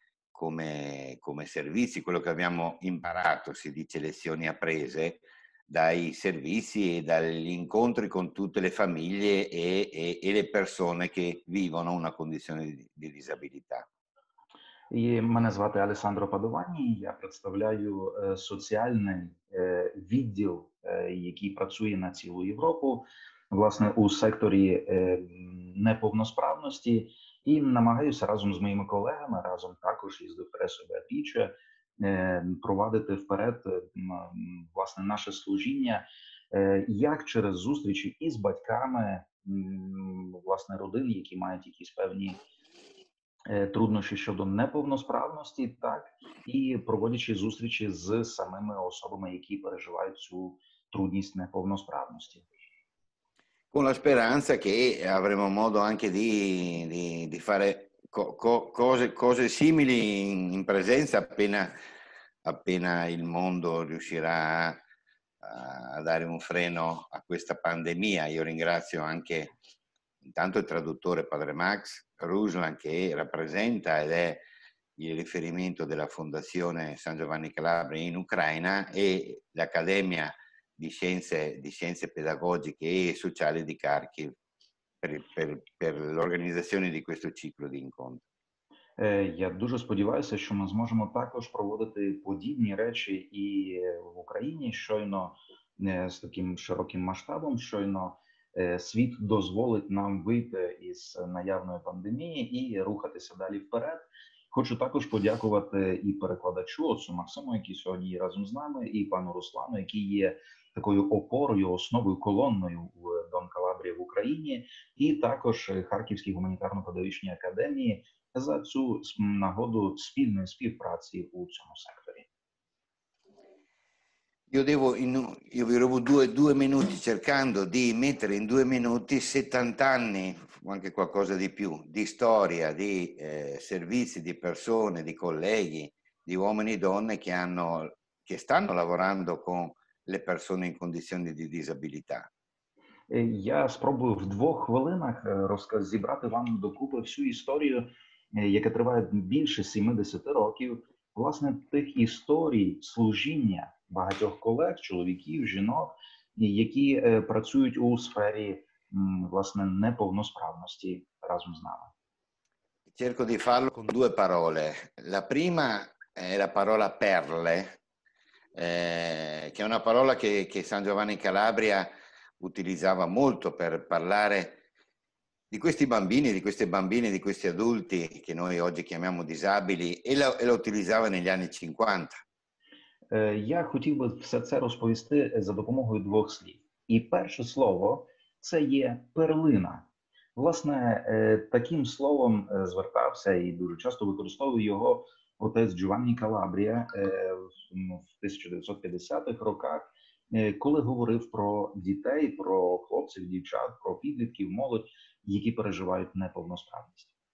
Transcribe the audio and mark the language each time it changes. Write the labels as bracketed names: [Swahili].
[Italian] come servizi, quello che abbiamo imparato, si dice lezioni apprese, dai servizi e dagli incontri con tutte le famiglie e le persone che vivono una condizione di disabilità. [Ukrainian] Мене звати Алесандро Падовані, я представляю соціальний відділ, який працює на цілу Європу, власне, у секторі неповносправності, і намагаюся разом з моїми колегами, разом також із депресою Беатріче, провадити вперед власне наше служіння, як через зустрічі із батьками власне родин, які мають якісь певні труднощі щодо неповносправності, так і проводячи зустрічі з самими особами, які переживають цю трудність неповносправності. [Italian] Con la speranza che avremo modo anche di fare cose simili in presenza appena il mondo riuscirà a dare un freno a questa pandemia. Io ringrazio anche intanto il traduttore Padre Max Ruslan, che rappresenta ed è il riferimento della Fondazione San Giovanni Calabria in Ucraina e l'Accademia di scienze pedagogiche e sociali di Kharkiv per l'organizzazione di questo ciclo di incontri. [Ukrainian] Я дуже сподіваюся, що ми зможемо також проводити подібні речі і в Україні щойно з таким широким масштабом, щойно світ дозволить нам вийти із наявної пандемії і рухатися далі вперед. Хочу також подякувати і перекладачу отцу Максиму, який сьогодні є разом з нами, і пану Руслану, який є такою опорою, основою, колонною в Дон Калабрі в Україні, і також Харківській гуманітарно-педагогічній академії за цю нагоду спільної співпраці у цьому секторі. [Italian] Io vi rubo due minuti cercando di mettere in 2 minuti 70 anni, o anche qualcosa di più, di storia, di servizi, di persone, di colleghi, di uomini e donne che stanno lavorando con le persone in condizioni di disabilità. [Ukrainian] Я спробую в 2 хвилинах зібрати вам докупи всю історію, яка триває більше 70 років, власне, тих історій служіння багатьох колег, чоловіків, жінок, які працюють у сфері власне неповносправності разом з нами. [Italian] Cerco di farlo con due parole. La prima è la parola perle, che è una parola che San Giovanni Calabria utilizzava molto per parlare di questi bambini, di queste bambine, di questi adulti che noi oggi chiamiamo disabili, e lo utilizzava negli anni 50. [Ukrainian] Я хотів би все це розповісти за допомогою 2 слів. І перше слово – це є перлина. Власне, таким словом звертався і дуже часто використовував його отець Джованні Калабрія в 1950-х роках, коли говорив про дітей, про хлопців, дівчат, про підлітків, молодь, які переживають неповносправність.